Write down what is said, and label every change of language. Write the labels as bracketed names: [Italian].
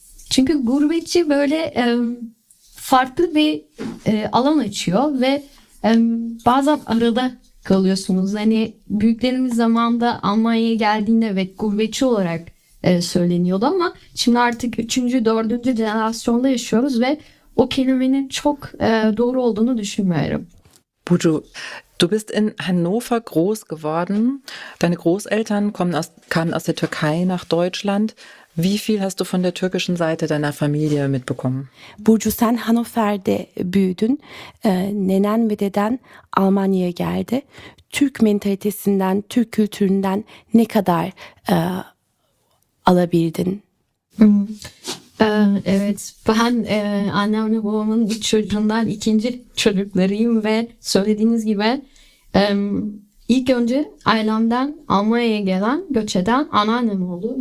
[Turkish] Çünkü gurbetçi böyle farklı bir alan açıyor ve bazen arada kalıyorsunuz. Hani büyüklerimiz zamanında Almanya'ya geldiğinde evet gurbetçi olarak söyleniyordu ama şimdi artık 3. 4. jenerasyonda yaşıyoruz ve o kelimenin çok doğru olduğunu düşünmüyorum. [German] Burcu, du bist in Hannover groß geworden. Deine Großeltern kamen aus der Türkei nach Deutschland. Wie viel hast du von der türkischen Seite deiner Familie mitbekommen? [Turkish] Burcu, sen Hannover'de büyüdün. Nenen ve deden Almanya'ya geldi. Türk mentalitesinden, Türk kültüründen ne kadar alabildin? Evet, ben annem ve babamın ilk çocuğundan ikinci çocuklarıyım ve söylediğiniz gibi ilk önce ailemden Almanya'ya gelen, göç eden anneannem oldu.